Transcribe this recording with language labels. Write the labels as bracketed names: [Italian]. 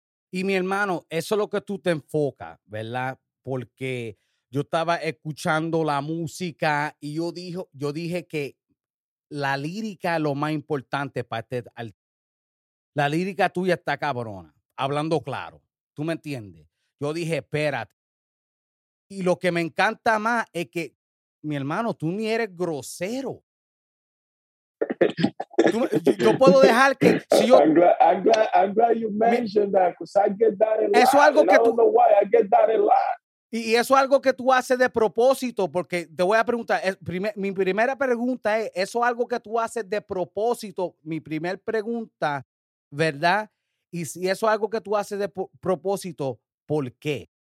[Spanish] Y mi hermano, eso es lo que tú te enfocas, ¿verdad? Porque yo estaba escuchando la música y yo dije que la lírica es lo más importante para este artista. La lírica tuya está cabrona, hablando claro. ¿Tú me entiendes? Yo dije, espérate. Y lo que me encanta más es que, mi hermano, tú ni eres grosero. Yo puedo dejar que si yo [English] I'm glad you mentioned that, because I get that a lot. [Spanish] Eso algo que tú, [English] I don't know why I get that a lot. [Spanish] Y eso es algo que tú haces de propósito, porque te voy a preguntar, mi primera pregunta es, eso es algo que tú haces de propósito, mi primer pregunta, ¿verdad? Y si eso es algo que tú haces de propósito, ¿por qué?